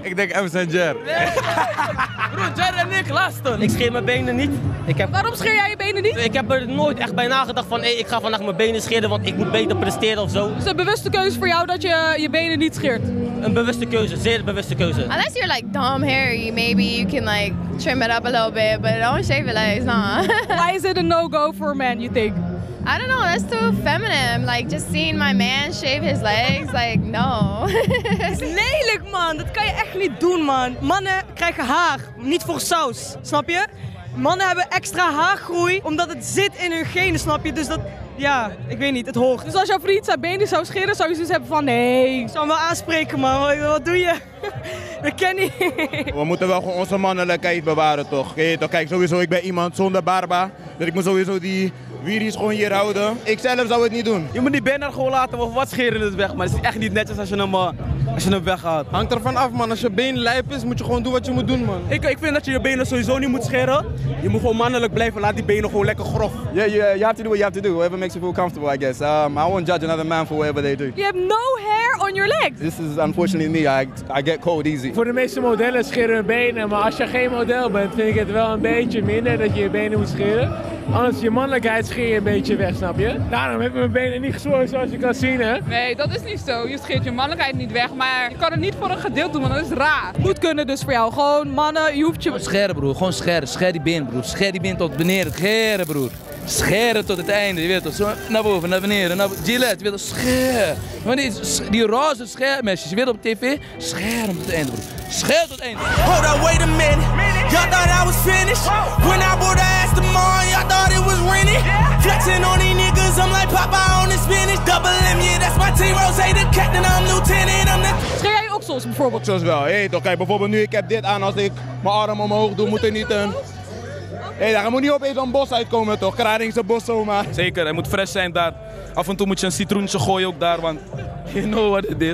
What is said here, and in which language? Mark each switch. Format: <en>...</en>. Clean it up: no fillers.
<nl>Ik denk Evans en Jer. Broer, Jer en ik, laatste. Ik scheer mijn benen niet. Waarom scheer jij je benen niet? Ik heb er nooit echt bij nagedacht van, ik ga vandaag mijn benen scheren, want ik moet beter presteren of zo. Is het een bewuste keuze voor jou dat je je benen niet scheert? Een bewuste keuze, zeer bewuste keuze.</nl> <en>Unless you're like dumb hairy, maybe you can like trim it up a little bit, but don't shave it like it's not. Why is it a no-go for a man, you think? I don't know, that's too feminine. Like, just seeing my man shave his legs, like, no.</en> <nl>Het is lelijk, man. Dat kan je echt niet doen, man. Mannen krijgen haar, niet voor saus, snap je? Mannen hebben extra haargroei, omdat het zit in hun genen, snap je? Dus dat, ja, ik weet niet, het hoort. Dus als jouw vriend zijn benen zou scheren, zou je zoiets hebben van, nee. Ik zou hem wel aanspreken, man. Wat doe je? Dat ken je. We moeten wel gewoon onze mannelijkheid bewaren, toch? Kijk, sowieso, ik ben iemand zonder barba. Dus ik moet sowieso die... Wier is gewoon hier houden. Ik zelf zou het niet doen. Je moet die benen gewoon laten, of wat scheren het weg. Maar het is echt niet netjes als je hem weghaalt. Hangt ervan af, man. Als je been lijp is, moet je gewoon doen wat je moet doen, man. Ik vind dat je benen sowieso niet moet scheren. Je moet gewoon mannelijk blijven. Laat die benen gewoon lekker grof.</nl> <en>You have to do what you have to do. Whatever makes you feel comfortable, I guess. I won't judge another man for whatever they do. You have no hair on your legs. This is unfortunately me. I get cold easy.</en> <nl>Voor de meeste modellen scheren hun benen. Maar als je geen model bent, vind ik het wel een beetje minder dat je benen moet scheren. Anders je mannelijkheid scheer je een beetje weg, snap je? Daarom heb ik mijn benen niet geschoren zoals je kan zien, hè? Nee, dat is niet zo. Je scheert je mannelijkheid niet weg, maar je kan het niet voor een gedeelte doen, want dat is raar. Moet kunnen dus voor jou. Gewoon mannen, je hoeft je... Scheren, broer. Gewoon scheren. Scher die been, broer. Scher die been tot beneden. Scheren, broer. Scheren tot het einde, je weet toch? Zo naar boven, naar beneden. Gillette, je weet toch? Scher. Maar die roze schermesjes, je weet op tv? Scheren tot het einde, broer. Scher tot het einde.</nl> <en>Hold on, wait a minute. Y'all thought I was finished. When I bought the ass to mine, y'all thought it was rainy. Flexing on these niggas, I'm like Papa on the Spanish. Double M, yeah, that's my team. Rose, the captain, I'm lieutenant.</en> <nl>Scher jij oksels bijvoorbeeld? Oksels wel, hé toch? Kijk, bijvoorbeeld nu ik heb dit aan, als ik mijn arm omhoog doe, moet er niet een... Hé, hey, daar moet niet opeens een bos uitkomen toch? Kraringse bos zomaar. Zeker, hij moet fresh zijn daar. Af en toe moet je een citroentje gooien ook daar,</nl> <en>want you know what it is.</en>